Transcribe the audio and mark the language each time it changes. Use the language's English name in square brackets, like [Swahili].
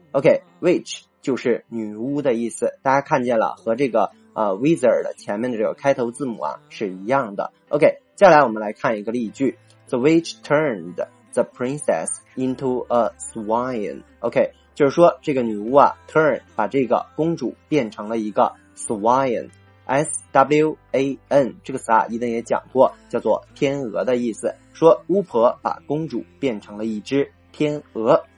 [Chinese] OK， witch 就是女巫的意思，大家看见了，和这个wizard 前面的这个开头字母啊是一样的。 OK， 接下来我们来看一个例句。 [English] The witch turned the princess into a swine。 [Chinese] OK，就是说这个女巫啊 turn 把这个公主变成了一个 swan， S-W-A-N 这个词啊伊登也讲过，叫做天鹅的意思，说巫婆把公主变成了一只天鹅。